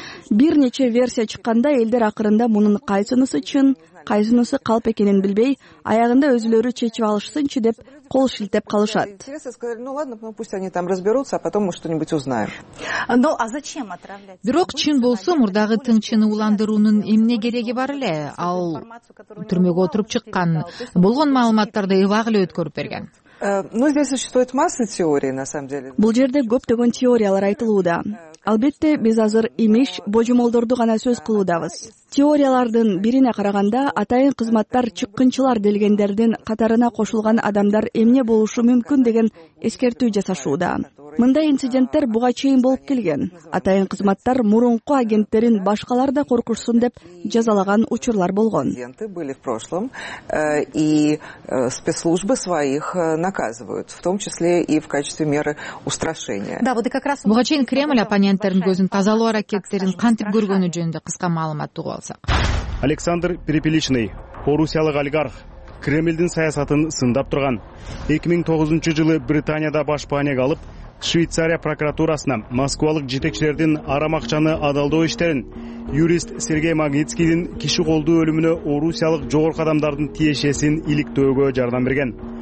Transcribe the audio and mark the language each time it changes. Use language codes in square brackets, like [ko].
[ky] Бир нече версия чыкканда элдер акырында мунун кайсынысы чын, кайсынысы калп экенин билбей, аягында өзүлөрү чечип алышсынчы деп кол шилтеп калышат. [ru] Ну ладно, ну пусть они там разберутся, а потом мы что-нибудь узнаем. Но а зачем отравлять? [ky] Бирок чын болсо, мурдагы тынчыны уландыруунун эмне кереги бар эле? Ал түрмөгө отуруп чыккан, болгон маалыматтарды ыйлаг эле өткөрүп берген. [ru] Ну здесь существует масса теорий на самом деле. [ky] Бул жерде көптөгөн теориялар айтылууда. Албетте, биз азыр имиш, божомолдорду гана сөз кылуудабыз. Теориялардын бирине караганда, атайын кызматтар чыккынчылар делгендердин катарына кошулган адамдар эмне болушу мүмкүн деген эскертүү жасашууда. Мындай инциденттер буга чейин болуп келген. Атайын кызматтар мурунку агенттерин башкалар да коркушсун деп жазалаган учурлар болгон. [ru] Агенты были в прошлом, и спецслужбы своих наказывают, в том числе и в качестве меры устрашения. Да, вот и как раз [ky] буга чейин Кремль оппоненттердин көзүн тазалоо аракеттерин кантип көргөнү жөнүндө кыска маалымат туу алсак. Александр Перепеличный, орусиялык олигарх. Кремлдин саясатын сындап турган. 2009 жылы Британияда башпаанек калып, Швейцария прокуратурасына москвалык жетекчилердин арам акчаны адалдоо иштерин, юрист Сергей Магнитскийдин киши колдуу өлүмүнө орусиялык жогорку адамдардын тиешесин иликтөөгө жардам берген.